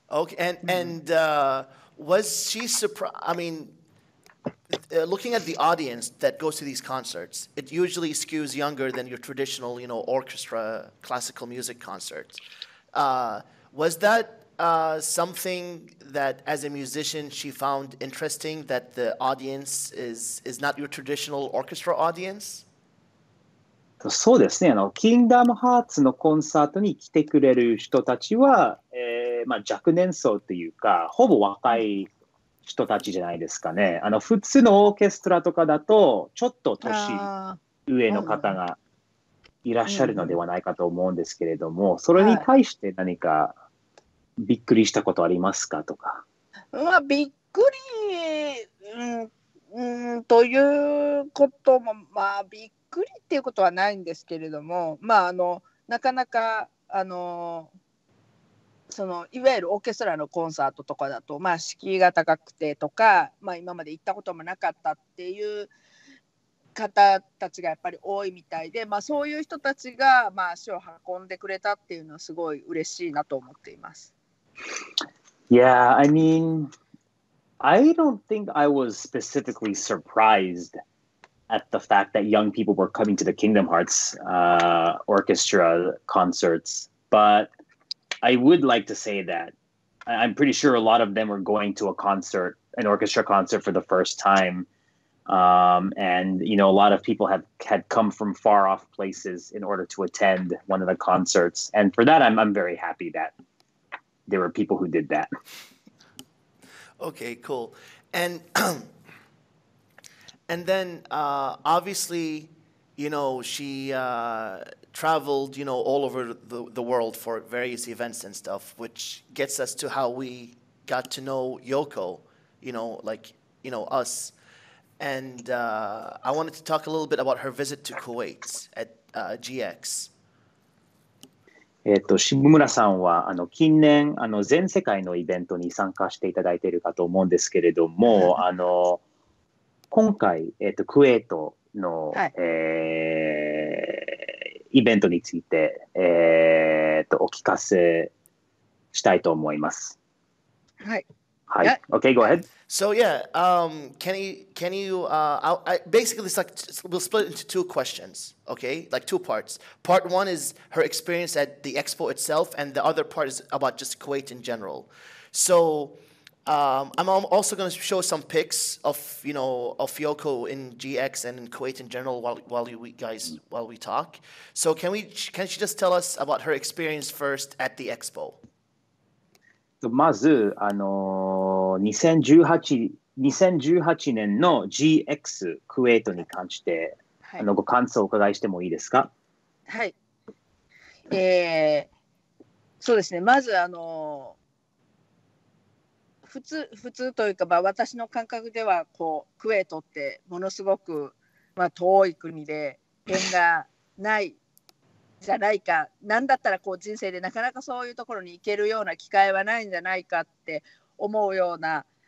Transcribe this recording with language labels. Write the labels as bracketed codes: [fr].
[en] Okay, and was she surprised? I mean, looking at the audience that goes to these concerts, it usually skews younger than your traditional, you know, orchestra, classical music concerts. Was that something that, as a musician, she found interesting, that the audience is not your traditional orchestra audience? [ja] そうですね、キングダムハーツのコンサートに来てくれる人たちは、まあ、若年層というかほぼ若い人たちじゃないですかね。普通のオーケストラとかだとちょっと年上の方がいらっしゃるのではないかと思うんですけれども、うん、それに対して何かびっくりしたことありますかとか。まあ、びっくり、ということも、まあ、びっくりっていうことはないんですけれども、まあ、あのなかなかあのそのいわゆるオーケストラのコンサートとかだと、まあ、敷居が高くてとか、まあ、今まで行ったこともなかったっていう方たちがやっぱり多いみたいで、まあ、そういう人たちが、まあ、足を運んでくれたっていうのはすごい嬉しいなと思っています。 [en] Yeah, I mean, I don't think I was specifically surprised at the fact that young people were coming to the Kingdom Hearts orchestra concerts, but I would like to say that I'm pretty sure a lot of them were going to a concert, an orchestra concert for the first timeand, you know, a lot of people have had come from far off places in order to attend one of the concerts. And for that, I'm very happy that there were people who did that. Okay, cool. And, and then, obviously, you know, she traveled, you know, all over the world for various events and stuff, which gets us to how we got to know Yoko, you know, like, you know, us. And I wanted to talk a little bit about her visit to Kuwait at GX. [ja] 下村さんはあの近年あの全世界のイベントに参加していただいているかと思うんですけれどもあの今回、クウェートの、はい、イベントについて、お聞かせしたいと思います。はい、 [en] はい、yeah. Okay, go ahead. So yeah, basically it's like we'll split it into two questions, okay? Like two parts. Part one is her experience at the expo itself, and the other part is about just Kuwait in general. So I'm also going to show some pics of, you know, of Yoko in GX and in Kuwait in general while we talk. So can she just tell us about her experience first at the expo? [ja] まず、2018年の GX クウェートに関して、はい、あのご感想をお伺いしてもいいですか。はい、そうですね、まず、普通というか、まあ、私の感覚ではこうクウェートってものすごく、まあ、遠い国で縁がないじゃないか、なんだったらこう人生でなかなかそういうところに行けるような機会はないんじゃないかって思うような